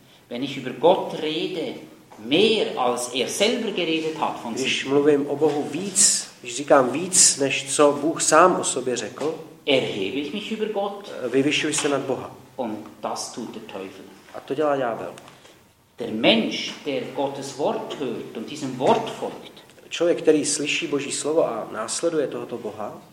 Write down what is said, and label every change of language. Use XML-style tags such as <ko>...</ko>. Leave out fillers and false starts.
<de>Wenn ich über Gott rede, mehr als er selber geredet hat von sich.</de> <cs>Když mluvím o Bohu víc, když říkám víc, než co Bůh sám o sobě řekl,</cs> <de>erhebe ich mich über Gott.</de> <cs>Vyvyšuji se nad Boha.</cs> <de>Und das tut der Teufel.</de> <cs>A to dělá ďábel.</cs> <de>Der Mensch, der Gottes Wort hört und diesem Wort folgt.</de> <cs>Člověk, který slyší Boží slovo a následuje tohoto Boha,</cs>